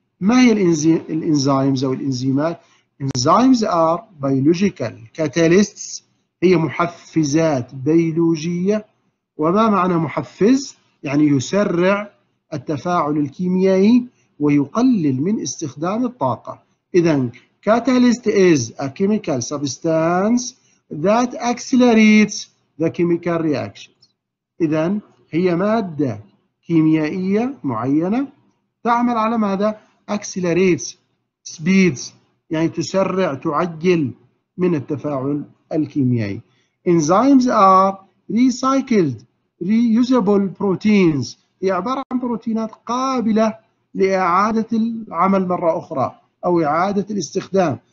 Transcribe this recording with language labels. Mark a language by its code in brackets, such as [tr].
[ar] ما هي الإنزيمز أو الإنزيمات؟ Enzymes are biological catalysts، هي محفزات بيولوجية. وما معنى محفز؟ يعني يسرع التفاعل الكيميائي ويقلل من استخدام الطاقة. [en] إذن catalyst is a chemical substance that accelerates the chemical reactions. [ar] إذن هي مادة كيميائية معينة تعمل على ماذا؟ accelerates speeds يعني تسرع تعجل من التفاعل الكيميائي. Enzymes are recycled reusable proteins، هي عبارة عن بروتينات قابلة لإعادة العمل مرة أخرى أو إعادة الاستخدام.